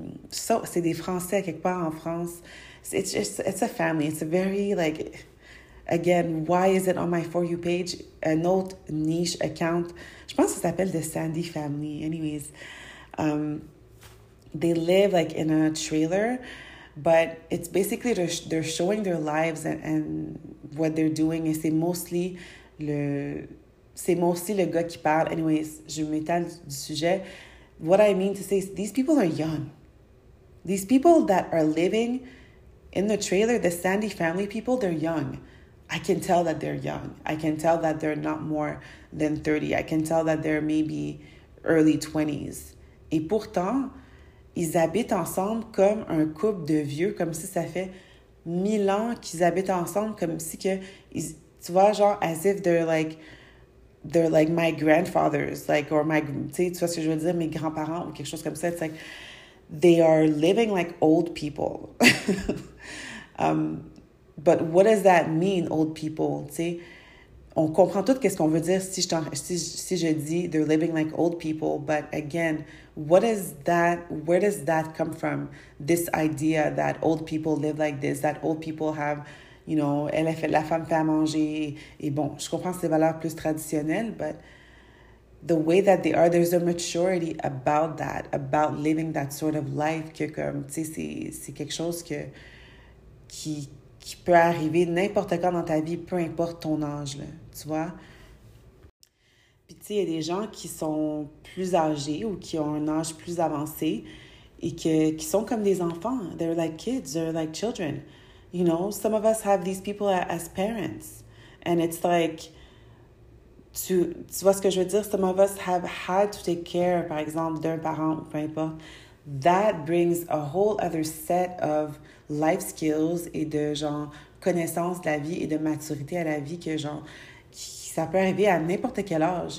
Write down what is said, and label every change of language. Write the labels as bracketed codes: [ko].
[fr] so, c'est des Français quelque part en France. [en] It's a family. It's a very, like... Again, why is it on my For You page? An old niche account. [fr] Je pense que ça s'appelle [en] The Sandy Family. Anyways, they live like in a trailer, but it's basically they're showing their lives and what they're doing. [fr] Et c'est mostly le gars qui parle. [en] Anyways, [fr] je m'étale du sujet. [en] What I mean to say is these people are young. These people that are living in the trailer, the Sandy Family people, they're young. I can tell that they're young. I can tell that they're not more than 30. I can tell that they're maybe early 20s. [fr] Et pourtant, ils habitent ensemble comme un couple de vieux, comme si ça fait 1000 ans qu'ils habitent ensemble, comme si que ils, tu vois, genre [en] as if they're like my grandfathers, like, or my, [fr] tu vois ce que je veux dire, mes grands-parents ou quelque chose comme ça. [en] It's like they are living like old people. But what does that mean, old people? [fr] Tu sais, on comprend tout qu'est-ce qu'on veut dire si je dis [en] they're living like old people. But again, what is that? Where does that come from? This idea that old people live like this, that old people have, you know, [fr] elle fait la femme fait à manger. Et bon, je comprends ces valeurs plus traditionnelles, [en] but the way that they are, there's a maturity about that, about living that sort of life. [fr] Que comme, tu sais, c'est quelque chose que qui peut arriver n'importe quand dans ta vie, peu importe ton âge, là, tu vois. Puis tu sais, il y a des gens qui sont plus âgés ou qui ont un âge plus avancé et qui sont comme des enfants. [en] They're like kids, they're like children. You know, some of us have these people as parents. And it's like, [fr] tu vois ce que je veux dire? [en] Some of us have had to take care, [fr] par exemple, d'un parent ou peu importe. [en] That brings a whole other set of life skills [fr] et de, genre, connaissance de la vie et de maturité à la vie que, genre, ça peut arriver à n'importe quel âge.